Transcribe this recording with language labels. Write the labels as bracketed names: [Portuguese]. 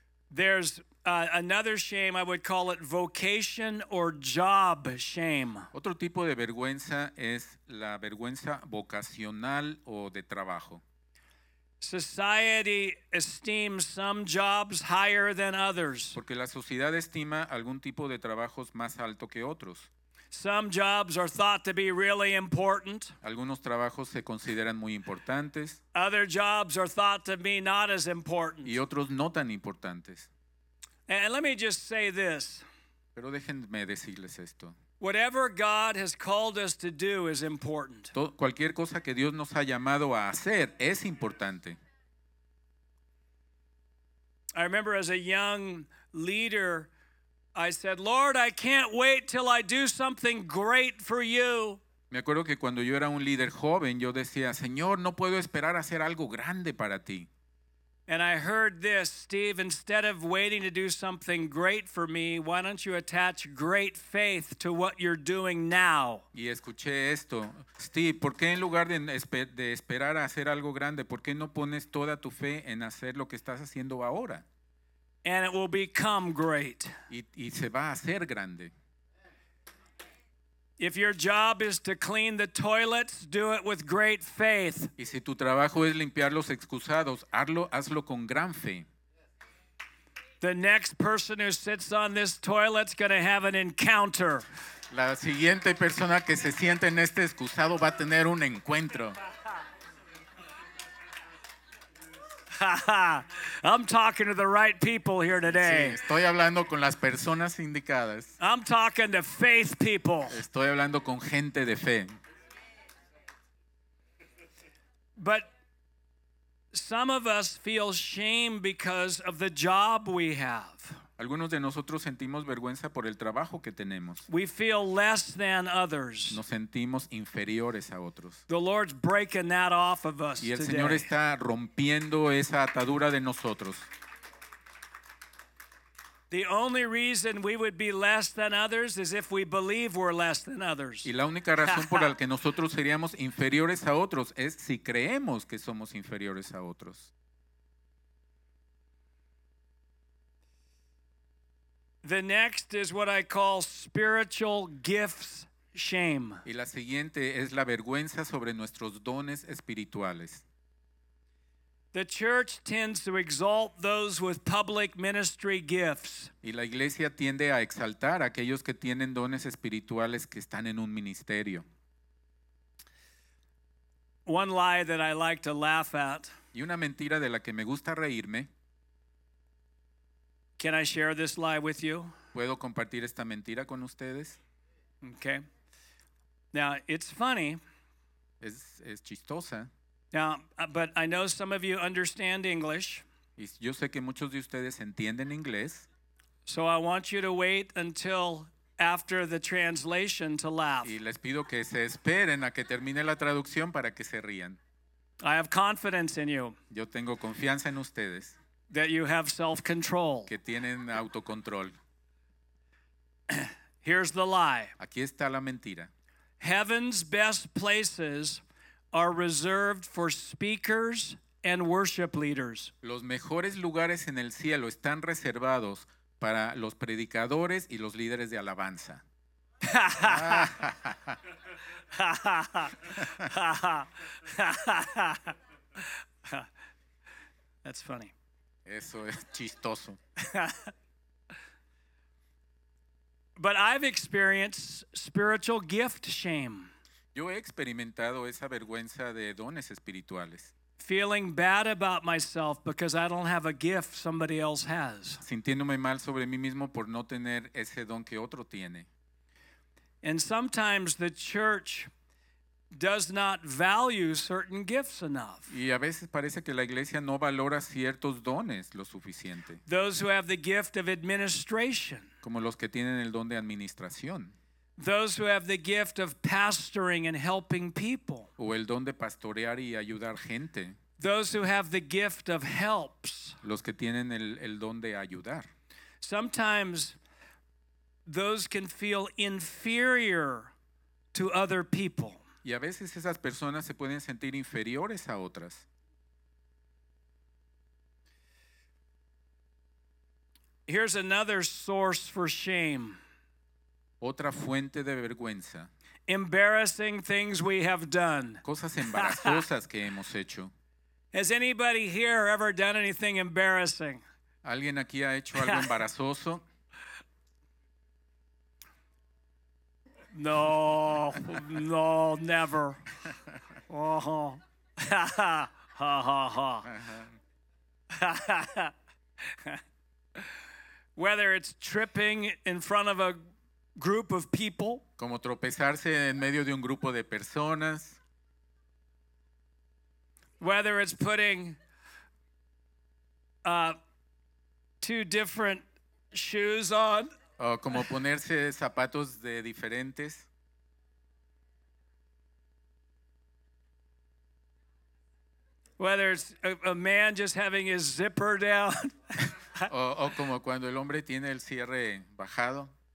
[English] There's another shame, I would call it vocation or job shame. [Spanish] Otro tipo de vergüenza es la vergüenza vocacional o de trabajo. [English] Society esteems some jobs higher than others. [Spanish] Porque la sociedad estima algún tipo de trabajos más alto que otros. [English] Some jobs are thought to be really important. [Spanish] Algunos trabajos se consideran muy importantes. [English] Other jobs are thought to be not as important. [Spanish] Y otros no tan importantes. [English] And let me just say this. [Spanish] Pero déjenme decirles esto. [English] Whatever God has called us to do is important. [Spanish] Cualquier cosa que Dios nos ha llamado a hacer es importante. [English] I remember as a young leader, I said, Lord, I can't wait till I do something great for you. [Spanish] Me acuerdo que cuando yo era un líder joven, yo decía, Señor, no puedo esperar a hacer algo grande para ti. [English] And I heard this, Steve, instead of waiting to do something great for me, why don't you attach great faith to what you're doing now? [Spanish] Y escuché esto. Steve, ¿por qué en lugar de esperar a hacer algo grande, por qué no pones toda tu fe en hacer lo que estás haciendo ahora? [English] And it will become great. [Spanish] Y se va a hacer grande. [English] If your job is to clean the toilets, do it with great faith. [Spanish] Y si tu trabajo es limpiar los excusados, hazlo con gran fe. [English] The next person who sits on this toilet's going to have an encounter. [Spanish] La siguiente persona que se siente en este excusado va a tener un encuentro. [English] I'm talking to the right people here today. [Spanish] Sí, estoy hablando con las personas indicadas. [English] I'm talking to faith people. [Spanish] Estoy hablando con gente de fe. [English] But some of us feel shame because of the job we have. [Spanish] Algunos de nosotros sentimos vergüenza por el trabajo que tenemos. [English] We feel less than others. [Spanish] Nos sentimos inferiores a otros. [English] The Lord's breaking that off of us today. [Spanish] Y el [English] today. [Spanish] Señor está rompiendo esa atadura de nosotros. [English] The only reason we would be less than others is if we believe we're less than others. [Spanish] Y la única razón por la que nosotros seríamos inferiores a otros es si creemos que somos inferiores a otros. [English] The next is what I call spiritual gifts shame. [Spanish] Y la siguiente es la vergüenza sobre nuestros dones espirituales. [English] The church tends to exalt those with public ministry gifts. [Spanish] Y la iglesia tiende a exaltar a aquellos que tienen dones espirituales que están en un ministerio. [English] One lie that I like to laugh at. [Spanish] Y una mentira de la que me gusta reírme. [English] Can I share this lie with you? [Spanish] ¿Puedo compartir esta mentira con ustedes? [English] Okay. Now, it's funny. [Spanish] Es chistosa. [English] Now, but I know some of you understand English. [Spanish] Y yo sé que muchos de ustedes entienden inglés. [English] So I want you to wait until after the translation to laugh. [Spanish] Y les pido que se esperen a que termine la traducción para que se rían. [English] I have confidence in you. [Spanish] Yo tengo confianza en ustedes. [English] That you have self-control. [Spanish] Que tienen autocontrol. [English] Here's the lie. [Spanish] Aquí está la mentira. [English] Heaven's best places are reserved for speakers and worship leaders. [Spanish] Los mejores lugares en el cielo están reservados para los predicadores y los líderes de alabanza. [English] That's funny. [Spanish] Eso es chistoso. [English] But I've experienced spiritual gift shame. [Spanish] Yo he experimentado esa vergüenza de dones espirituales. [English] Feeling bad about myself because I don't have a gift somebody else has. [Spanish] Sintiéndome mal sobre mí mismo por no tener ese don que otro tiene. [English] And sometimes the church does not value certain gifts enough. [Spanish] Y a veces parece que la iglesia no valora ciertos dones lo suficiente. [English] Those who have the gift of administration. [Spanish] Como los que tienen el don de administración. [English] Those who have the gift of pastoring and helping people. [Spanish] O el don de pastorear y ayudar gente. [English] Those who have the gift of helps. [Spanish] Los que tienen el don de ayudar. [English] Sometimes those can feel inferior to other people. [Spanish] Y a veces esas personas se pueden sentir inferiores a otras. [English] Here's another source for shame. [Spanish] Otra fuente de vergüenza. [English] Embarrassing things we have done. [Spanish] Cosas embarazosas que hemos hecho. [English] Has anybody here ever done anything embarrassing? [Spanish] ¿Alguien aquí ha hecho algo embarazoso? [English] No, never. Oh. Ha, ha, ha. Whether it's tripping in front of a group of people, [Spanish] como tropezarse en medio de un grupo de personas. [English] Whether it's putting two different shoes on. [Spanish] O como ponerse zapatos de diferentes. [English] Whether it's a man just having his zipper down. [Spanish] O como cuando el hombre tiene el cierre bajado.